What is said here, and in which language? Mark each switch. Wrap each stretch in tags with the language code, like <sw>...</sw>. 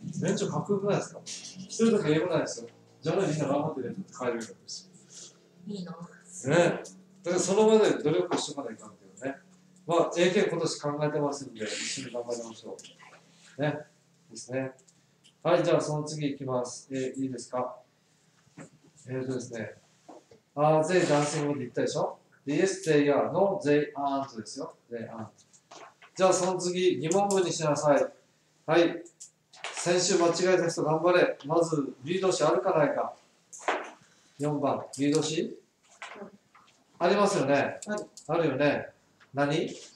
<ja>免除かっこよくないですか？一人だけ英語ないですよ。じゃあみんな頑張って免除って帰れるんですよ。いいな、ね、だからその上で努力してまでいかんけどね。まあ英検今年考えてますんで一緒に頑張りましょうね。ですね。はい、じゃあその次いきます。いいですか？ですね。</ja> <en>Are they dancing with you?</en> <ja>って言ったでしょ？</ja> <en>Yes, they are. No, they aren't.</en> <ja>ですよ。</ja> <en>They aren't.</en> <ja>じゃあその次、疑問文にしなさい。はい。先週間違えた人頑張れ。まず、B 動詞あるかないか。 4番、B 動詞？ありますよね。はい、あるよね。何？</ja>